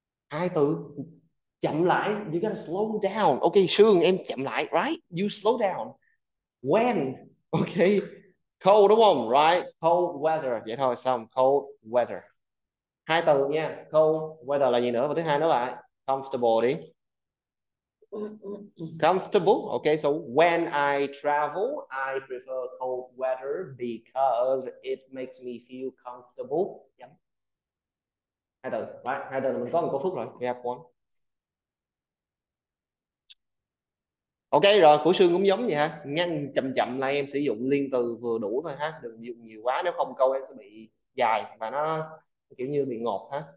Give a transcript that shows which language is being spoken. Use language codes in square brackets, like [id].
[vi] Hai từ. Chậm lại, [en] you gotta slow down. [vi] Ok, Sương, em chậm lại, right? [en] You slow down. [vi] When? Ok. Cold đúng không? Right? Cold weather. Vậy thôi, xong. Cold weather. Hai từ nha. Cold weather là gì nữa? Và thứ hai nữa là comfortable đi. [en] Comfortable. Ok, so when I travel, I prefer cold weather because it makes me feel comfortable. [vi] Yep. Hai từ. Right. Hai từ là mình có một câu phúc rồi. [en] We have one. [vi] Ok rồi, của Sương cũng giống vậy ha. Nhanh chậm chậm là em sử dụng liên từ vừa đủ thôi ha. Đừng dùng nhiều quá, nếu không câu em sẽ bị dài và nó kiểu như bị ngột ha.